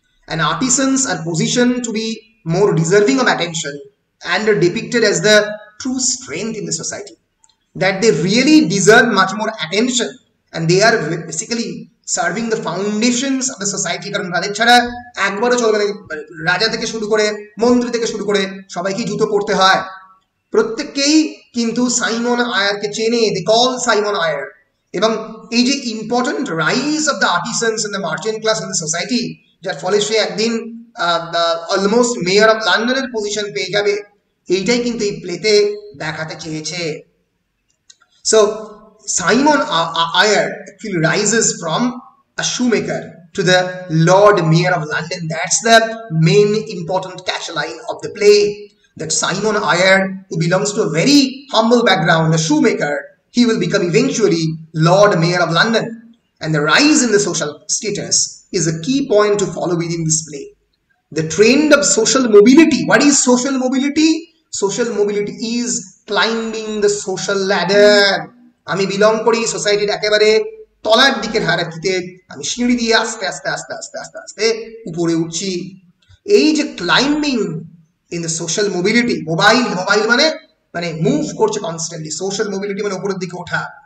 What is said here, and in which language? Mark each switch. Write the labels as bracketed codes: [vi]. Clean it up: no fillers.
[en] And artisans are positioned to be more deserving of attention and are depicted as the true strength in the society. That they really deserve much more attention and they are basically serving the foundations of the society. [bn] কারণ তাদের ছাড়া একবারও চলবে না। রাজা থেকে শুরু করে মন্ত্রী থেকে শুরু করে সবাইকে জুতো পড়তে হয়, প্রত্যেককেই কিন্তু সাইমন আয়ারকে চেনে, [en] They call Simon Ayer. [bn] এবং এই যে [en] important rise of the artisans in the merchant class in the society, [bn] যার ফলে সে একদিন অলমোস্ট মেয়র অফ লন্ডনের পজিশন পেয়ে যাবে, এইটাই কিন্তু এই প্লেতে দেখাতে চেয়েছে। [en] So, Simon Eyre actually rises from a shoemaker to the Lord Mayor of London. That's the main important catch line of the play. That Simon Eyre, who belongs to a very humble background, a shoemaker, he will become eventually Lord Mayor of London. And the rise in the social status is a key point to follow within this play. The trend of social mobility. What is social mobility? Social mobility is climbing the social ladder. [bn] আমি belong করি সোসাইটির একেবারে তলার দিকের হায়ারার্কিতে, আমি সিঁড়ি দিয়ে আস্তে আস্তে আস্তে আস্তে আস্তে আস্তে উপরে উঠছি। এই যে [en] climbing in the social mobility, [bn] mobile mobile মানে মানে মুভ করছে কনস্ট্যান্টলি, সোশ্যাল মোবিলিটি মানে উপরের দিকে ওঠা।